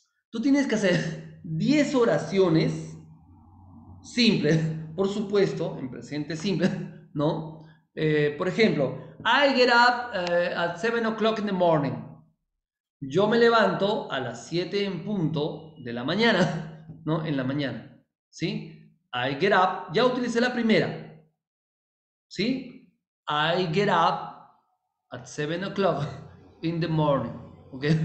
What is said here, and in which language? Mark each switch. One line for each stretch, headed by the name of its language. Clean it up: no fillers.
Spanish: Tú tienes que hacer 10 oraciones simples, por supuesto, en presente simple, ¿no? Por ejemplo,
English: I get up at 7 o'clock in the morning.
Spanish: Yo me levanto a las 7 en punto de la mañana, ¿no? En la mañana, ¿sí?
English: I get up,
Spanish: ya utilicé la primera, ¿sí?
English: I get up at 7 o'clock. In the morning, ok.